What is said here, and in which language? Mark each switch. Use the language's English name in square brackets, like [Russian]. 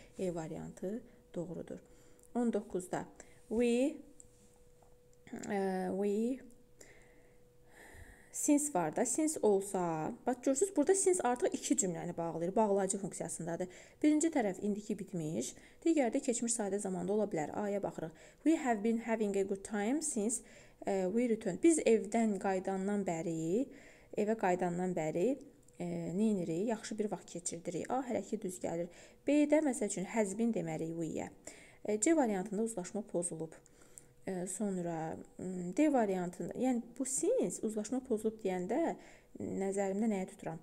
[Azerbaijani] E variantı doğrudur. 19-da we since var da, since olsa, bax görürsünüz, burada since artıq iki cümləni bağlayır, bağlayıcı funksiyasındadır. Birinci tərəf indiki bitmiş, digər də keçmiş sadə zamanda ola bilər. A-ya baxırıq. [English] We have been having a good time since we returned. [Azerbaijani] Biz evdən qaydandan bəri, evə qaydandan bəri neynirik, yaxşı bir vaxt keçirdirik. A hələ ki düz gəlir. B-də məsəl üçün [English] has been [Azerbaijani] deməliyik we-yə. C variantında uzlaşma pozulub. Sonra D variantında, yəni bu since uzlaşma pozulub deyəndə nəzərimdə nəyə tuturam?